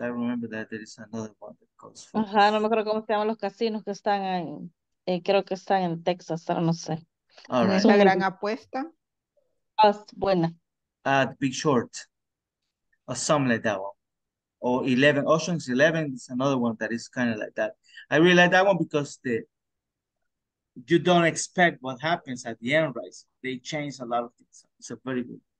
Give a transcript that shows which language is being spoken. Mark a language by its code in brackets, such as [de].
[en] I remember that there is another one that calls Focus. [es] No me acuerdo cómo se llaman los casinos que están en, creo que están en Texas, pero no sé. [en] All right. [es] Esa gran apuesta. Buena. [en] The Big Short, or something like that one. Or Ocean's 11 is another one that is kind of like that. I really like that one because you don't expect what happens at the end, right? They change a lot of things. It's a very good.